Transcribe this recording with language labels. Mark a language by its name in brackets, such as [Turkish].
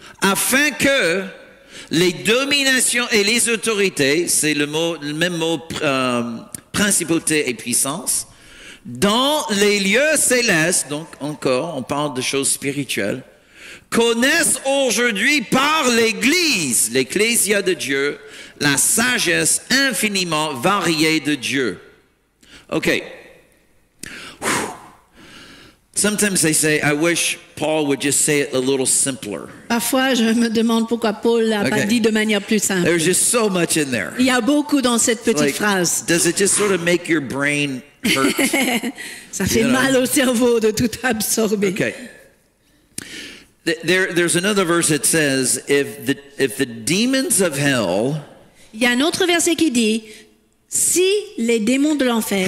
[French] Afin que les dominations et les autorités, c'est le même mot, principautés et puissances, dans les lieux célestes, donc encore, on parle de choses spirituelles, connaissent aujourd'hui par l'Église, l'Ecclésia de Dieu, la sagesse infiniment variée de Dieu. [English] Okay. Sometimes they say, I wish Paul would just say it a little simpler. [French] Parfois, je me demande pourquoi Paul l'a pas dit de manière plus simple. [English] There's just so much in there. [French] Il y a beaucoup dans cette petite phrase. [English] Does it just sort of make your brain hurt? [French] Ça fait mal au cerveau de tout absorber. [English] Okay. There's another verse that says, if the demons of hell... [French] Il y a un autre verset qui dit, si les démons de l'enfer